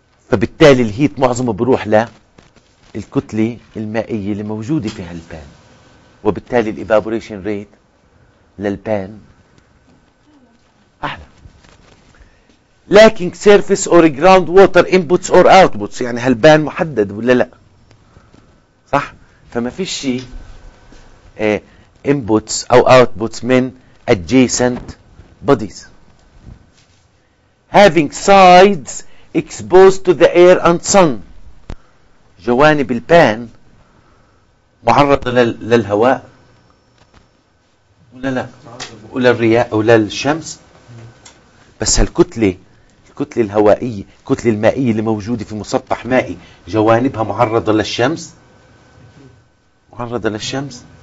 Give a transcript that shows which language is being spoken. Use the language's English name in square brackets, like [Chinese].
[Arabic] فبالتالي الهيت معظمه بروح للكتلة المائية اللي موجودة في هالبان، وبالتالي الإيفابوريشن ريت للبان أحلى. [English] lacking surface or ground water inputs or outputs. [Arabic] يعني هالبان محدد ولا لا؟ صح؟ فما في شيء inputs أو outputs من [English] adjacent bodies. having sides exposed to the air and sun. [Arabic] جوانب البان معرضة للهواء ولا لا؟ وللرياء وللشمس. بس هالكتلة الكتلة الهوائية الكتلة المائية اللي موجودة في مسطح مائي جوانبها معرضة للشمس؟ معرضة للشمس؟